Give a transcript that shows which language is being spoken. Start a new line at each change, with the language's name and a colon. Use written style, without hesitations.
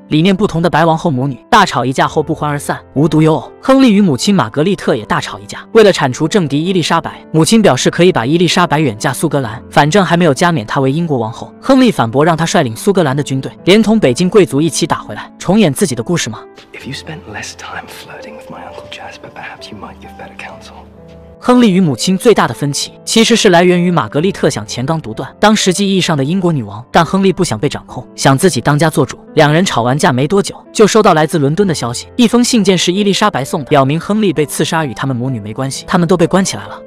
Chinese: 理念不同的白王后母女大吵一架后不欢而散，无独有偶，亨利与母亲玛格丽特也大吵一架。为了铲除政敌伊丽莎白，母亲表示可以把伊丽莎白远嫁苏格兰，反正还没有加冕她为英国王后。亨利反驳让他率领苏格兰的军队连同北京贵族一起打回来，重演点自己的故事吗？
English: If you spent less time flirting with my uncle Jasper, perhaps you might give better counsel.
Chinese: 亨利与母亲最大的分歧，其实是来源于玛格丽特想前纲独断，当实际意义上的英国女王，但亨利不想被掌控，想自己当家做主。两人吵完架没多久，就收到来自伦敦的消息，一封信件是伊丽莎白送的，表明亨利被刺杀与他们母女没关系，他们都被关起来了。